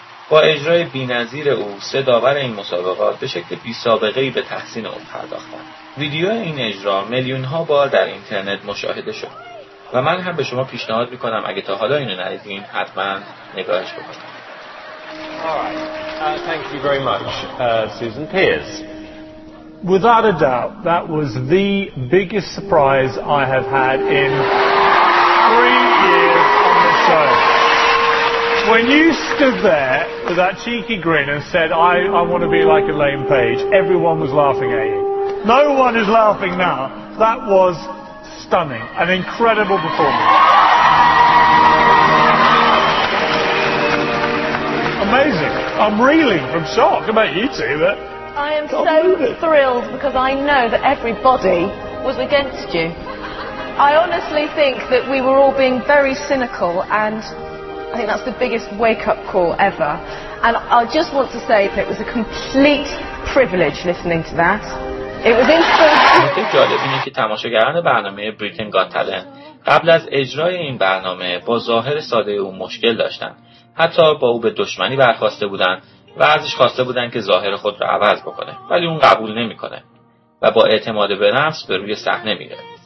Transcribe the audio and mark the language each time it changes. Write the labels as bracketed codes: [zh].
[fa] با اجرای بی‌نظیر او سه داور این مسابقات به شکل بی سابقه‌ای به تحسین او پرداختند. ویدیو این اجرا میلیون ها بار در اینترنت مشاهده شد و من هم به شما پیشنهاد می کنم اگه تا حالا اینو ندیدین حتما نگاهش بکنید. [en] All right. Thank you very much, Susan Pears. Without a doubt, that was the biggest surprise I have had in 3 years on the show. When you stood there with that cheeky grin and said, I want to be like Elaine Page, everyone was laughing at you. No one is laughing now. That was stunning. An incredible performance. Amazing. I'm reeling from shock. How about you two? But I am so thrilled because I know that everybody was against you. I honestly think that we were all being very cynical and I think that's the biggest wake-up call ever. And I just want to say that it was a complete privilege listening to that. It was incredible. [fa] جالب اینه که تماشاگران برنامه بریتن گات تالنت قبل از اجرای این برنامه با ظاهر ساده او مشکل داشتن. حتی با او به دشمنی برخواسته بودن و ازش خواسته بودن که ظاهر خود رو عوض بکنه ولی اون قبول نمیکنه و با اعتماد به نفس به روی صحنه میره.